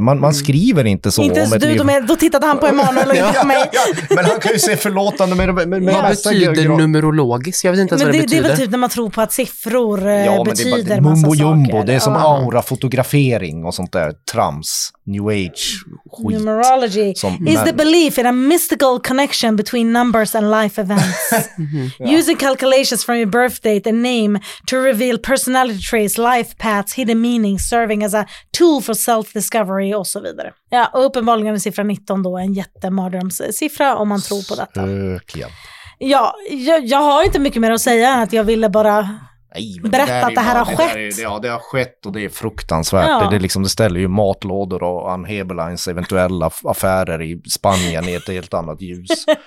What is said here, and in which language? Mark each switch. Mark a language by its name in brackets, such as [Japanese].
[Swedish] Man skriver inte så. Inte om ens du, då tittade han på Emanuel och inte på mig. Men han kan ju se förlåtande med det. Vad betyder numerologiskt? Jag vet inte vad det betyder. Det är väl typ när man tror på att siffror betyder det är bara, massa jumbo, saker. Det är som aura fotografering och sånt där. Trams, new age skit. [English] Numerology. Is the belief in a mystical connection between numbers and life events. Using calculation from your birth date and name to reveal personality traits, life paths, hidden meanings, serving as a tool for self-discovery [Swedish] och så vidare. Ja, uppenbarligen är siffra 19 då en jättemardrömssiffra om man tror på detta. Sökligen. Ja, jag har inte mycket mer att säga än att jag ville bara berätta att det här har skett. Ja, det har skett och det är fruktansvärt. Ja. Det ställer ju matlådor och Ann Heberleins eventuella affärer i Spanien i ett helt annat ljus.